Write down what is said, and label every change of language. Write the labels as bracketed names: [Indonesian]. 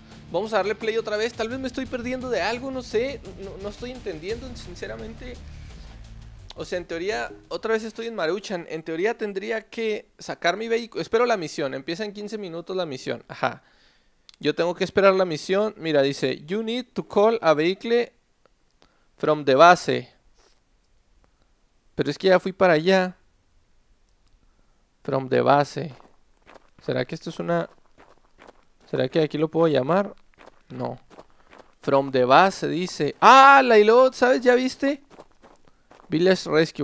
[Spanish] Vamos a darle play otra vez. Tal vez me estoy perdiendo de algo, no sé. No estoy entendiendo, sinceramente. O sea, en teoría, otra vez estoy en Maruchan. En teoría tendría que sacar mi vehículo. Espero la misión. Empieza en 15 minutos la misión. Ajá. Yo tengo que esperar la misión. Mira, dice, [English] you need to call a vehicle from the base. [Spanish] Pero es que ya fui para allá. [English] From the base. [Spanish] ¿Será que esto es una...? ¿Será que aquí lo puedo llamar? No. [English] From the base, [Spanish] dice. ¡Ah! La ilot, ¿sabes? ¿Ya viste? Village Rescue.